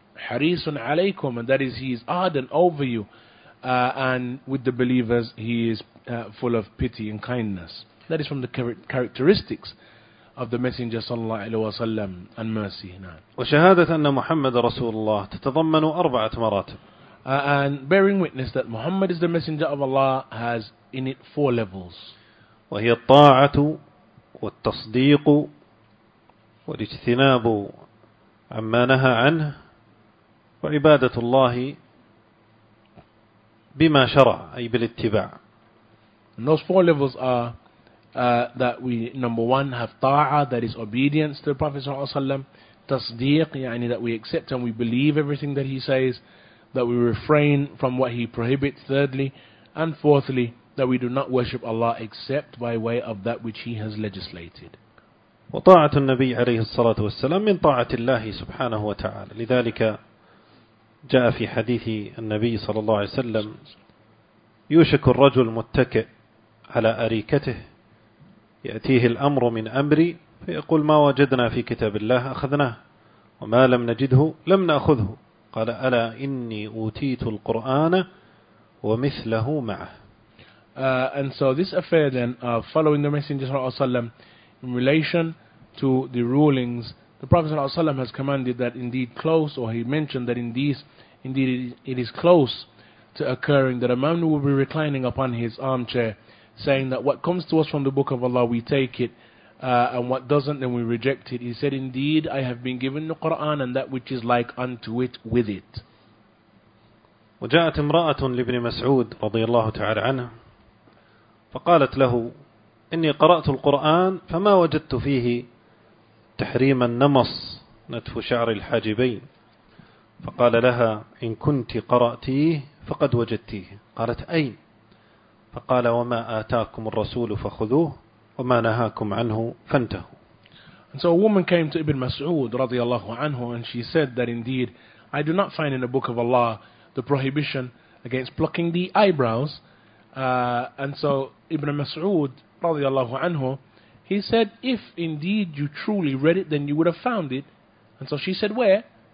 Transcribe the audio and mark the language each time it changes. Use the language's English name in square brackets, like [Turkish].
[Arabic] حريص عليكم, [English] and that is, he is ardent over you, and with the believers he is full of pity and kindness. That is from the characteristics of the messenger صلى الله عليه وسلم and mercy. [Arabic] وشهادة أن محمد رسول الله تتضمن أربعة مراتب. [English] And bearing witness that Muhammad is the messenger of Allah has in it 4 levels. [Arabic] وهي الطاعة والتصديق والاجتناب عما نهى عنه وعبادة الله بما شرع أي بالاتباع. [English] And those 4 levels are that we, number one, have طاعة, that is obedience to the Prophet صلى الله عليه وسلم. [Arabic] تصديق, يعني [English] that we accept and we believe everything that he says, that we refrain from what he prohibits. Thirdly, and fourthly, that we do not worship Allah except by way of that which he has legislated. [Arabic] وطاعة النبي عليه الصلاة والسلام من طاعة الله سبحانه وتعالى, لذلك جاء في حديث النبي صلى الله عليه وسلم يوشك الرجل متكئ على أريكته يأتيه الأمر من أمري فيقول ما وجدنا في كتاب الله أخذناه وما لم نجده لم نأخذه, قال ألا إني أوتيت القرآن ومثله معه. [English] And so this affair then of following the Messenger صلى الله عليه وسلم in relation to the rulings, the Prophet ﷺ has commanded that indeed close, or he mentioned that indeed it is close to occurring that a man will be reclining upon his armchair saying that what comes to us from the Book of Allah we take it, and what doesn't then we reject it. He said, indeed I have been given the Quran and that which is like unto it with it. [Arabic] وجاءت امرأة لابن مسعود رضي الله تعالى عنه فقالت له إني قرأت القرآن فما وجدت فيه تحريم النمص نتف شعر الحاجبين, فقال لها إن كنت قرأتيه فقد وجدتيه, قالت أين, فقال وما آتاكم الرسول فخذوه وما نهاكم عنه فانتهوا. [English] And so a woman came to Ibn Mas'ud رضي الله عنه and she said that indeed I do not find in the book of Allah the prohibition against plucking the eyebrows. And so Ibn Mas'ud radiallahu anhu, he said, if indeed you truly read it, then you would have found it. And so she said, where?